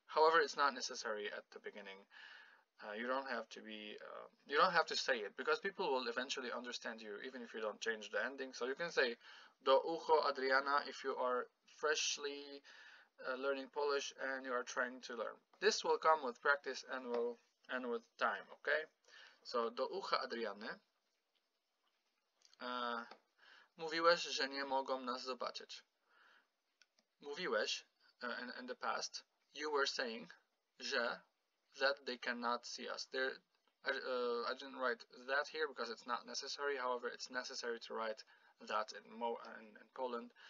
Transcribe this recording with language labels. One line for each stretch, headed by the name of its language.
English: However, it's not necessary at the beginning. You don't have to be, you don't have to say it, because people will eventually understand you even if you don't change the ending. So you can say
Polish: do ucho Adriana
English: if you are freshly learning Polish and you are trying to learn. This will come with practice and will end with time, okay?
Polish: So do ucha Adriany. Mówiłeś, że nie mogą nas zobaczyć.
English: Mówiłeś, in the past, you were saying, że, that they cannot see us. There, I didn't write that here because it's not necessary. However, it's necessary to write that in Poland.